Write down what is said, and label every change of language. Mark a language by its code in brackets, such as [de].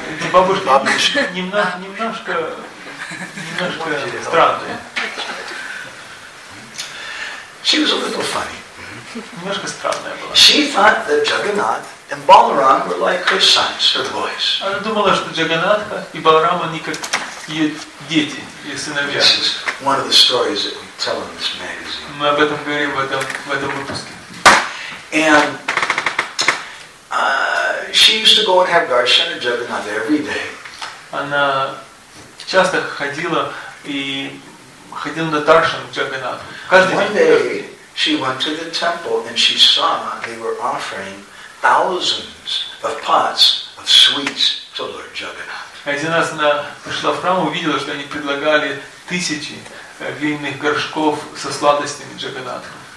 [ru] Бабушка немножко странная. [en] She was a little funny. [ru] Немножко странная была. [en] She thought that Jagannath and Balaram were like her sons, her boys. [ru] Она думала, что Джаганатха и Баларам они как ее дети, ее сыновья. [en] This is one of the stories that we tell in this magazine. [ru] Мы об этом говорим в этом выпуске. [en] And she used to go and have darshan of Jagannath every day. [ru] Она часто ходила на даршан Джаганатха каждый день. [en] One day she went to the temple and she saw they were offering thousands of pots of sweets to Lord Jagannath. [ru] Один раз она пришла в храм и увидела, что они предлагали тысячи глиняных горшков со сладостями Джаганатху.